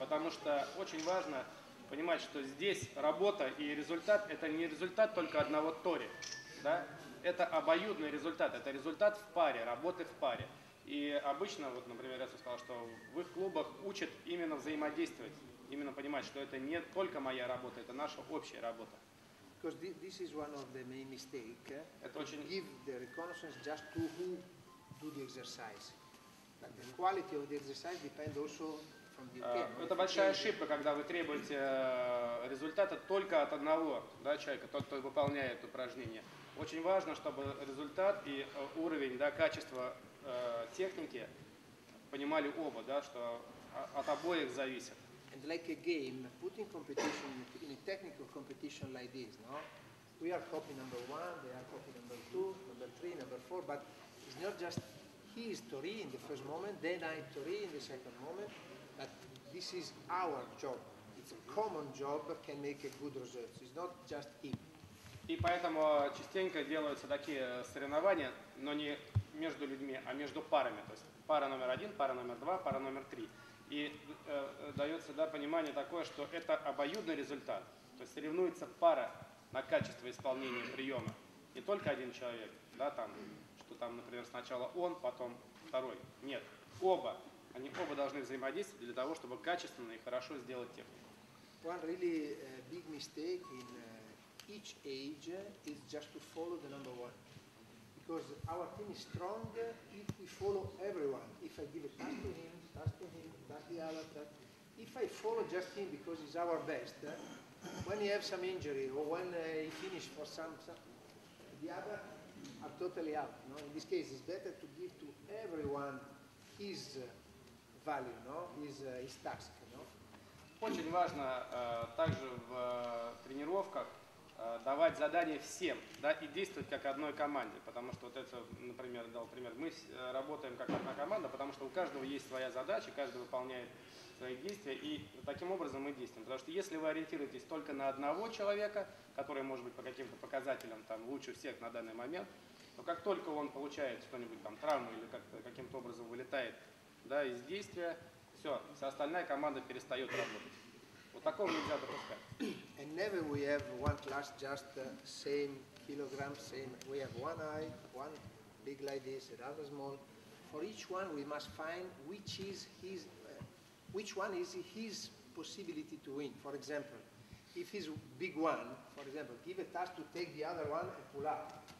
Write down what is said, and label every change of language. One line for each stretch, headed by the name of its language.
Russian: Потому что очень важно понимать, что здесь работа и результат – это не результат только одного Тори. Да? Это обоюдный результат, это результат в паре, работы в паре. И обычно, вот, например, я сказал, что в их клубах учат именно взаимодействовать, именно понимать, что это не только моя работа, это наша общая работа.
English: Because this is one of the main mistakes. Give the reconnaissance just to who do the exercise. But the quality of the exercise depends also from the team.
Russian: Это большая ошибка, когда вы требуете результата только от одного, да, человека, тот, кто выполняет упражнение. Очень важно, чтобы результат и уровень, да, качество техники понимали оба, да, что от обоих зависит.
English: And like a game, putting competition in a technical competition like this, no? We are copy number one, they are copy number two, number three, number four, but it's not just he is Tori in the first moment, then I Tori in the second moment, but this is our job. It's a common job that can make a good result. It's not just him.
Russian: И поэтому частенько делаются такие соревнования, но не между людьми, а между парами. То есть пара номер один, пара номер два, пара номер три. И дается, да, понимание такое, что это обоюдный результат. То есть соревнуется пара на качество исполнения приема. Не только один человек, да, там, что там, например, сначала он, потом второй. Нет, оба. Они оба должны взаимодействовать для того, чтобы качественно и хорошо сделать технику.
English: One really big mistake in each age is just to follow the number one. Because our team is strong if we follow everyone. If I give a pass to him, pass to him, pass the other, that. If I follow just him because he's our best, when he has some injury or when he finishes for some, the other are totally out. No? In this case, it's better to give to everyone his value, no? His task. No?
Russian: Очень важно также в тренировках давать задания всем, да, и действовать как одной команде. Потому что вот это, например, дал пример. Мы работаем как одна команда, потому что у каждого есть своя задача, каждый выполняет свои действия, и таким образом мы действуем. Потому что если вы ориентируетесь только на одного человека, который может быть по каким-то показателям там лучше всех на данный момент, то как только он получает что-нибудь там травму или как-то каким-то образом вылетает, да, из действия, все, вся остальная команда перестает работать.
English: And never we have one class just same kilogram, same. We have one eye, one big like this, another small. For each one, we must find which is his, which one is his possibility to win. For example, if he's big one, for example, give a task to take the other one and pull up.